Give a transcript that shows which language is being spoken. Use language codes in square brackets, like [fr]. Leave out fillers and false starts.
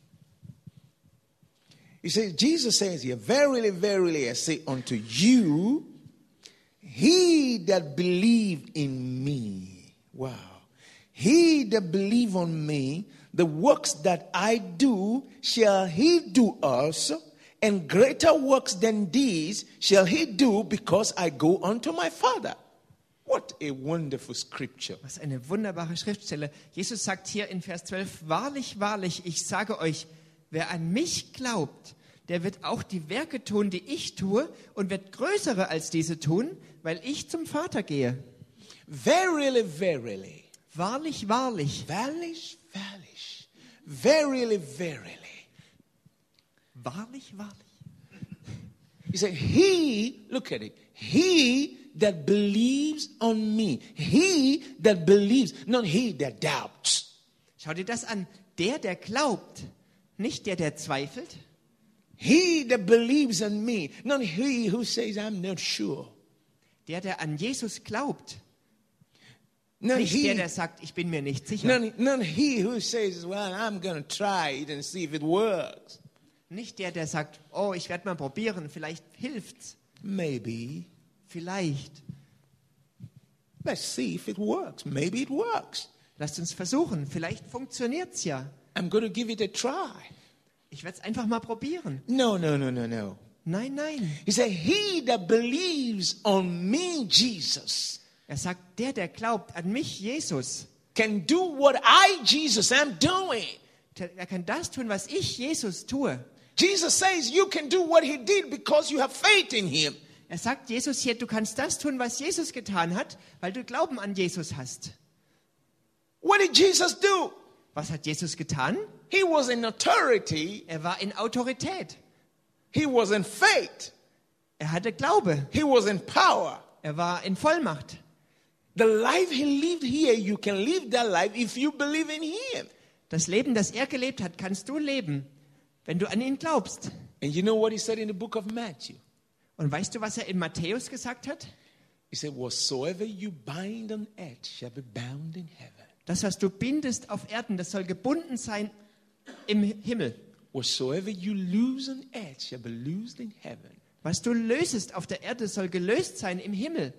[en] Vers 12. You see, Jesus says here, verily, verily, I say unto you, he that believe in me, wow, he that believe on me, the works that I do, shall he do also, and greater works than these shall he do, because I go unto my Father. What a wonderful scripture. [de] Was eine wunderbare Schriftstelle. Jesus sagt hier in Vers 12, wahrlich, wahrlich, ich sage euch, wer an mich glaubt, der wird auch die Werke tun, die ich tue, und wird größere als diese tun, weil ich zum Vater gehe. [en] Verily, verily. [de] Wahrlich, wahrlich. Wahrlich, wahrlich. [en] Verily, verily. [de] Wahrlich, wahrlich. [en] He said, he, look at it, he that believes on me. He that believes, not he that doubts. [de] Schau dir das an. Der, der glaubt, nicht der, der zweifelt. [en] He that believes on me, not he who says, I'm not sure. [de] Der, der an Jesus glaubt, nicht der, der sagt, ich bin mir nicht sicher. [en] Not he who says, well, I'm gonna try it and see if it works. [de] Nicht der, der sagt, oh, ich werde mal probieren, vielleicht hilft's. [en] Maybe. [de] Vielleicht. [en] Let's see if it works. Maybe it works. [de] Lasst uns versuchen. Vielleicht funktioniert's ja. [en] I'm going to give it a try. [de] Ich werde es einfach mal probieren. [en] No. [de] Nein, nein. [en] He said, he that believes on me, Jesus. [de] Er sagt, der, der glaubt an mich, Jesus. [en] Can do what I, Jesus, am doing. [de] Er kann das tun, was ich, Jesus, tue. [en] Jesus says, you can do what he did because you have faith in him. [de] Er sagt, Jesus hier, du kannst das tun, was Jesus getan hat, weil du Glauben an Jesus hast. [en] What did Jesus do? [de] Was hat Jesus getan? [en] He was in authority. [de] Er war in Autorität. [en] He was in faith. [de] Er hatte Glaube. [en] He was in power. [de] Er war in Vollmacht. [en] The life he lived here, you can live that life if you believe in him. [de] Das Leben, das er gelebt hat, kannst du leben, wenn du an ihn glaubst. [en] And you know what he said in the book of Matthew? [de] Und weißt du, was er in Matthäus gesagt hat? [en] He said, whatsoever you bind on earth shall be bound in heaven. [de] Das, was du bindest auf Erden, das soll gebunden sein im Himmel. [en] Whatsoever you lose on earth shall be loosed in heaven. [de] Was du lösest auf der Erde, soll gelöst sein im Himmel.